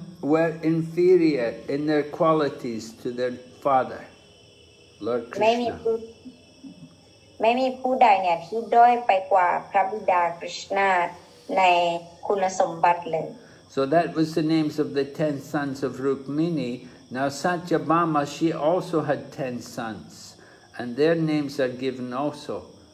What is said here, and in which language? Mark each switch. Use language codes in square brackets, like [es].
[en] were inferior in their qualities to their father, Lord Krishna. [th] ไม่มีผู้ใดเนี่ยที่ด้อยไปกว่าพระบิดา Krishna ในคุณสมบัติเลย [en] So that was the names of the 10 sons of Rukmini. Now Satyabhama, she also had 10 sons. And their names are given also.